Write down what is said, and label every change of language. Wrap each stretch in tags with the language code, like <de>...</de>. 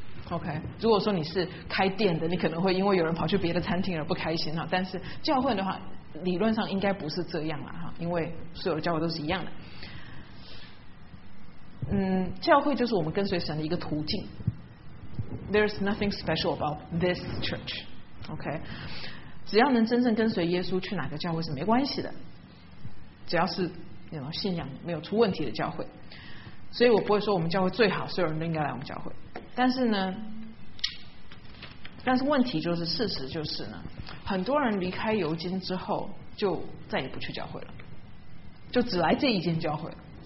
<zh>OK， 如果说你是开店的，你可能会因为有人跑去别的餐厅而不开心哈。但是教会的话，理论上应该不是这样啦哈，因为所有的教会都是一样的。嗯，教会就是我们跟随神的一个途径。</zh> <en>There's nothing special about this church.</en> <zh>OK， 只要能真正跟随耶稣去哪个教会是没关系的，只要是你们信仰没有出问题的教会。所以我不会说我们教会最好，所有人都应该来我们教会。但是呢，但是问题就是，事实就是呢，很多人离开尤金之后就再也不去教会了，就只来这一间教会了。</zh>